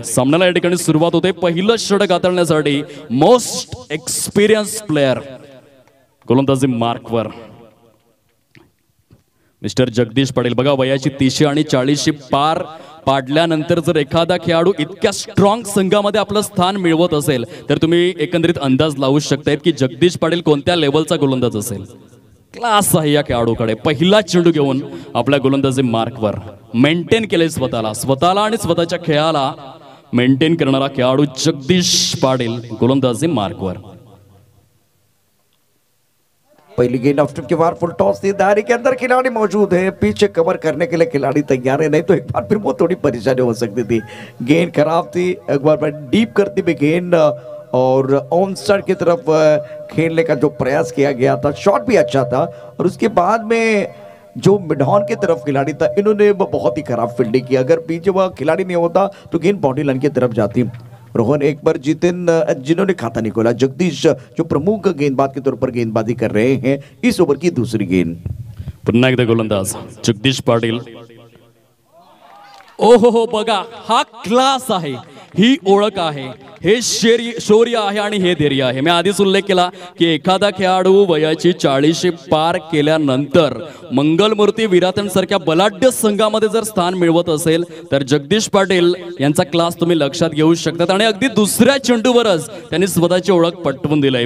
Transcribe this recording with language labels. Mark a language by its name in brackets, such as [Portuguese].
[Marathi] सामन्याला या ठिकाणी सुरुवात होते, पहिलं षटक हाताळण्यासाठी मोस्ट एक्सपिरियन्स प्लेयर गोलंदाजी मार्कवर मिस्टर जगदीश पाटील, बघा वयाची 30 आणि 40 पार पाडल्यानंतर जर एखादा खेळाडू इतक्या स्ट्रॉंग संघामध्ये आपलं स्थान मिळवत असेल तर तुम्ही एकंदरीत अंदाज लावू शकतायत की जगदीश पाटील कोणत्या लेवलचा गोलंदाज असेल। क्लास आहे या खेळाडूकडे, पहिला चेंडू घेऊन आपल्या गोलंदाजी मार्कवर मेंटेन केले स्वतःला, स्वतःला आणि स्वतःच्या खेळाला मेंटेन करणारा खेळाडू जगदीश पाटील गोलंदाजी मार्कवर। [Hindi] पहली गेंद ऑफ स्टंप के बाहर, फुल टॉस थी, दायरे के अंदर खिलाड़ी मौजूद है, पीछे कवर करने के लिए खिलाड़ी तैयार है, नहीं तो एक बार फिर वो थोड़ी परेशानी हो सकती थी। गेंद खराब थी, एक बार मैं डीप करती हुई गेंद और ऑन साइड की तरफ खेलने का जो प्रयास किया गया था, शॉट भी अच्छा था और उसके बाद में जो मिड ऑन की तरफ खिलाड़ी था इन्होंने बहुत ही खराब फील्डिंग की, अगर पीछे वह खिलाड़ी नहीं होता तो गेंद बाउंड्री लाइन की तरफ जाती। रोहन एक बार जितेन जिन्होंने खाता नहीं खोला, जगदीश जो प्रमुख गेंदबाज के तौर पर गेंदबाजी कर रहे हैं इस ओवर की दूसरी गेंद। [Marathi] पुनः एकदा गोलंदाज जगदीश पाटील, ओहो बघा हा क्लास आहे, ही ओळख आहे, हे शौर्य आहे आणि हे धैर्य आहे। मी आधीच उल्लेख केला की एखादा खेळाडू वयाची 40 पार केल्यानंतर मंगलमूर्ती विराटण सारख्या बलाढ्य संघामध्ये जर स्थान मिळवत असेल तर जगदीश पाटील यांचा क्लास तुम्ही लक्षात घेऊ शकता आणि अगदी दुसऱ्या चेंडूवरच त्यांनी स्वतःची ओळख पटवून दिली।